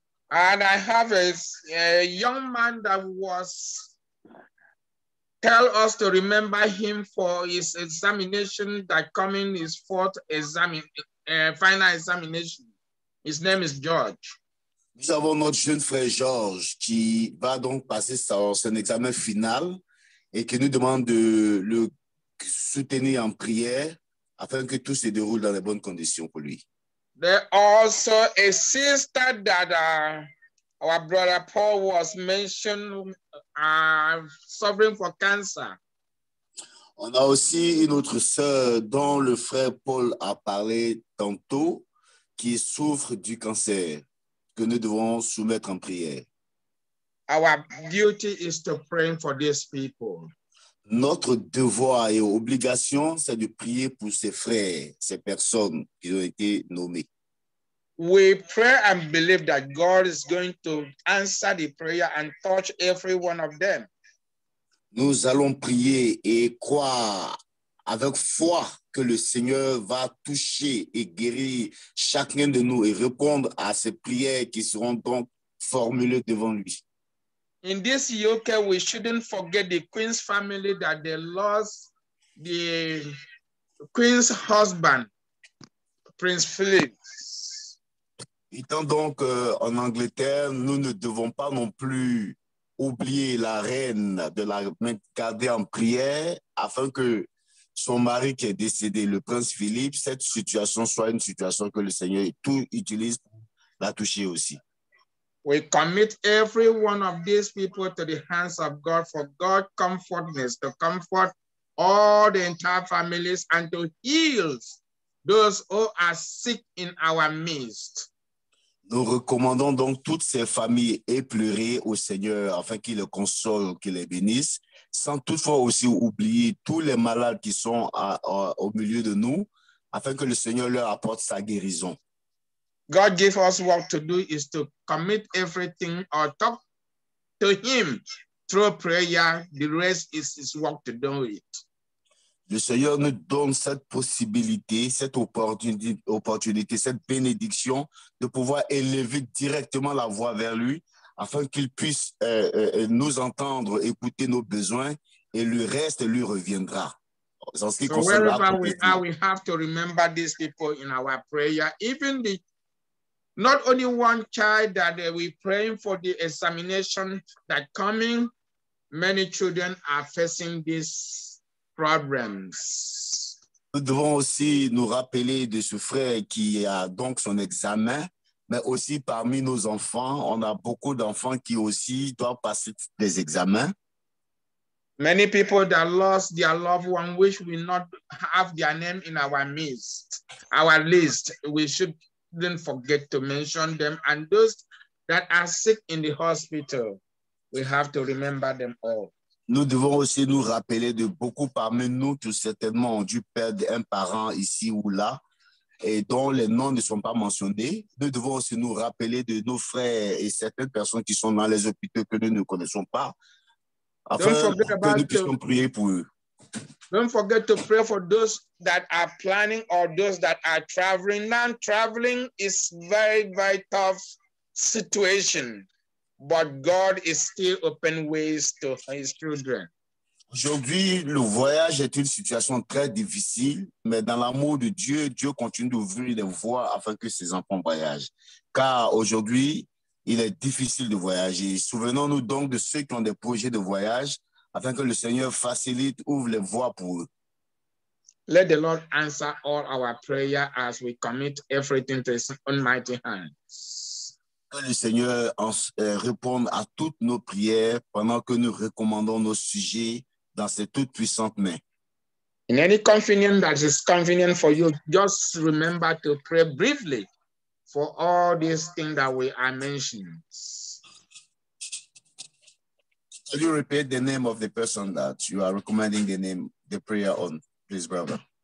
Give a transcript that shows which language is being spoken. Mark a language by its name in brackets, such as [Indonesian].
[English] And I have a young man that was tell us to remember him for his examination that coming his fourth final examination. His name is George. [French] Nous avons notre jeune frère Georges qui va donc passer son examen final et qui nous demande de le soutenir en prière afin que tout se déroule dans les bonnes conditions pour lui. [English] There also a sister that our brother Paul was mentioned suffering from cancer. [French] On a aussi une autre sœur dont le frère Paul a parlé tantôt qui souffre du cancer. Que nous devons soumettre en prière. [English] Our duty is to pray for these people. [French] Notre devoir et obligation, c'est de prier pour ces frères, ces personnes qui ont été nommées. [English] We pray and believe that God is going to answer the prayer and touch every one of them. [French] Nous allons prier et croire avec foi que le Seigneur va toucher et guérir chacun de nous et répondre à ces prières qui seront donc formulées devant lui. [English] In this UK, we shouldn't forget the Queen's family that they lost the Queen's husband, Prince Philip. [French] Étant donc en Angleterre, nous ne devons pas non plus oublier la reine de la garder en prière afin que son mari qui est décédé, le prince Philippe, cette situation soit une situation que le Seigneur tout utilise pour la toucher aussi. [English] We commit every one of these people to the hands of God for God comfortness, to comfort all the entire families and to heal those who are sick in our midst. [French] Nous recommandons donc toutes ces familles éplorées au Seigneur afin qu'il les console, qu'il les bénisse, sans toutefois aussi oublier tous les malades qui sont au milieu de nous, afin que le Seigneur leur apporte sa guérison. [English] God gave us what to do is to commit everything or talk to Him through prayer. The rest is His work to do it. [French] Le Seigneur nous donne cette possibilité, cette opportunité, cette bénédiction de pouvoir élever directement la voix vers lui afin qu'il puisse nous entendre, écouter nos besoins et le reste lui reviendra. En ce qui concerne la prière, [English] we have to remember these people in our prayer. Even the not only one child that we're praying for the examination that coming, many children are facing this. Problems. [French] Nous devons aussi nous rappeler de ce frère qui a donc son examen, mais aussi parmi nos enfants, on a beaucoup d'enfants qui aussi doivent passer des examens. [English] Many people that lost their loved one wish we not have their name in our midst, our list. We shouldn't forget to mention them. And those that are sick in the hospital, we have to remember them all. [French] Nous devons aussi nous rappeler de beaucoup parmi nous qui certainement ont dû perdre un parent ici ou là et dont les noms ne sont pas mentionnés. Nous devons aussi nous rappeler de nos frères et certaines personnes qui sont dans les hôpitaux que nous ne connaissons pas afin que nous puissions prier pour eux. [English] Don't forget to pray for those that are planning or those that are traveling. Non-traveling is very, very tough situation. But God is still open ways to His children. [French] Aujourd'hui, le voyage est une situation très difficile, mais dans l'amour de Dieu, Dieu continue d'ouvrir les voies afin que ses enfants voyagent. Car aujourd'hui, il est difficile de voyager. Souvenons-nous donc de ceux qui ont des projets de voyage afin que le Seigneur facilite, ouvre les voies pour eux. [English] Let the Lord answer all our prayer as we commit everything to His own mighty hands. [French] Que le Seigneur réponde à toutes nos prières pendant que nous recommandons nos sujets dans ses toute-puissantes mains. [English] In any convenient that is convenient for you, just remember to pray briefly for all these things that we are mentioning. Can you repeat the name of the person that you are recommending the prayer on, please, brother?